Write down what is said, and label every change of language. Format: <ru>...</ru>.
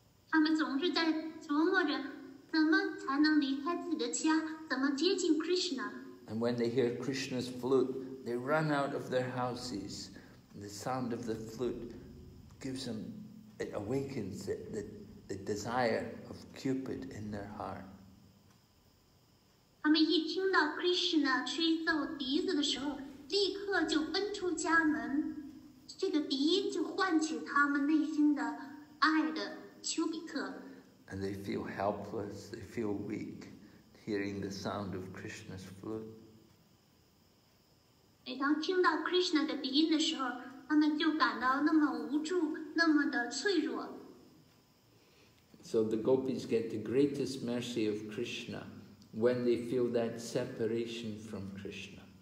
<zh>他们总是在琢磨着怎么才能离开自己的家，怎么接近 Krishna.</zh> <en>And when they hear Krishna's flute, they run out of their houses. The sound of the flute gives them, it awakens it, the desire of Cupid in their heart.</en> <zh>他们一听到 Krishna 吹奏笛子的时候，立刻就奔出家门，这个笛就唤起他们内心的爱的丘比特。</zh> <en>And they feel helpless, they feel weak, hearing the sound of Krishna's flute.</en> <zh>每当听到 Krishna 的笛音的时候，他们就感到那么无助，那么的脆弱。</zh> <en>So the gopis get the greatest mercy of Krishna when they feel that separation from Krishna.</en>